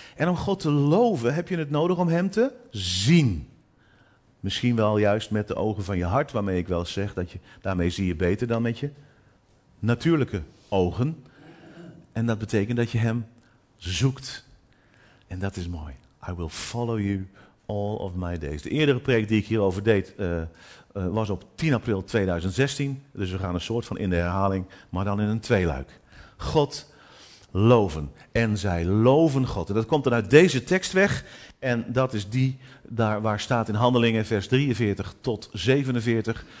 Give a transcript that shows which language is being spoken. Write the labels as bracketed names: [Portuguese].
[Dutch] En om God te loven heb je het nodig om hem te zien. Misschien wel juist met de ogen van je hart, waarmee ik wel zeg dat je daarmee zie je beter dan met je natuurlijke ogen. En dat betekent dat je hem zoekt. En dat is mooi. [English] I will follow you all of my days. [Dutch] De eerdere preek die ik hierover deed was op 10 april 2016. Dus we gaan een soort van in de herhaling, maar dan in een tweeluik. God loven. En zij loven God. En dat komt dan uit deze tekst weg. En dat is die daar waar staat in Handelingen vers 43 tot 47.